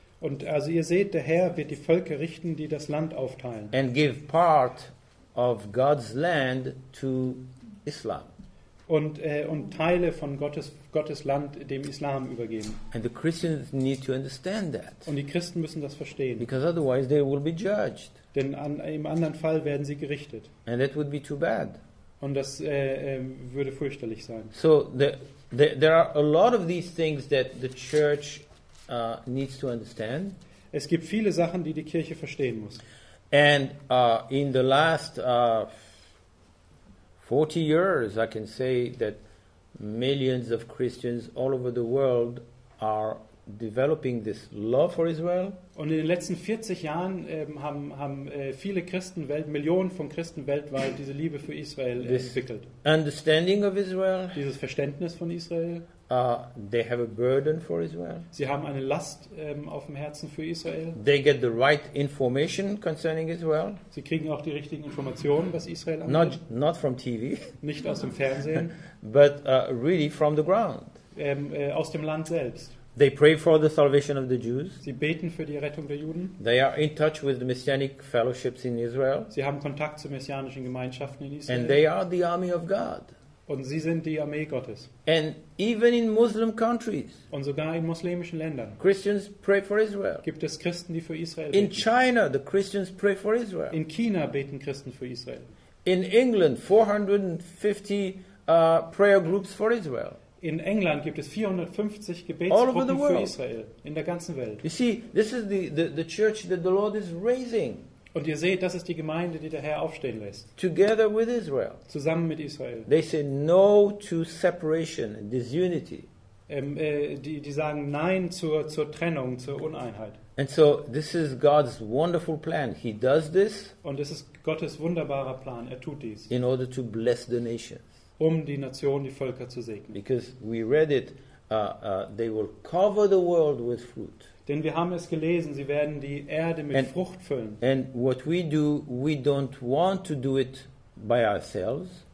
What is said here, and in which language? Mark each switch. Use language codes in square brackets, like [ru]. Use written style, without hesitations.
[de] Und also ihr seht, der Herr wird die Völker richten, die das Land aufteilen. [en] And give part of God's land to Islam. [de] Und Teile von Gottes Land dem Islam übergeben. [en] And the Christians need to understand that. [de] Und die Christen müssen das verstehen. [en] Because otherwise they will be judged. [de] Denn im anderen Fall werden sie gerichtet. [en] And that would be too bad. [de] Und das würde fürchterlich sein. [en] So there are a lot of these things that the church needs to understand. [de] Es gibt viele Sachen, die Kirche verstehen muss. [en] And in the last 40 years, I can say that millions of Christians all over the world are developing this love for Israel. [de] Und in den letzten 40 Jahren haben viele Christen Millionen von Christen weltweit diese Liebe für Israel entwickelt. [en] Understanding of Israel. [de] Dieses Verständnis von Israel. [en] They have a burden for Israel. [de] Sie haben eine Last auf dem Herzen für Israel. [en] They get the right information concerning Israel. [de] Sie kriegen auch die richtigen Informationen, was Israel angeht. [en] Not from TV. [de] Nicht aus dem Fernsehen. [en] But really from the ground. [de] Aus dem Land selbst. [en] They pray for the salvation of the Jews. [de] Sie beten für die Rettung der Juden. [en] They are in touch with the messianic fellowships in Israel. [de] Sie haben Kontakt zu messianischen Gemeinschaften in Israel. [en] And they are the army of God. [de] Und sie sind die Armee Gottes. [en] And even in Muslim countries. [de] Und sogar in muslimischen Ländern. [en] Christians pray for Israel. [de] Gibt es Christen, die für Israel [en] in In China, the Christians pray for Israel. [de] In China beten Christen für Israel. [en] In England, 450 prayer groups for Israel. [de] In England gibt es 450 Gebetsgruppen für Israel in der ganzen Welt. [en] You see, this is the church that the Lord is raising. [de] Und ihr seht, das ist die Gemeinde, die der Herr aufstehen lässt. [en] Together with Israel. [de] Zusammen mit Israel. [en] They say no to separation, disunity. [de] Die sagen Nein zur Trennung, zur Uneinheit. [en] And so this is God's wonderful plan. He does this. [de] Und es ist Gottes wunderbarer Plan. Er tut dies. [en] In order to bless the nations. [de] Um die Nationen, die Völker zu segnen. [en] Because we read it, they will cover the world with fruit. [de] Denn wir haben es gelesen, sie werden die Erde mit Frucht füllen. [en] And what we do, we don't want to do it by ourselves.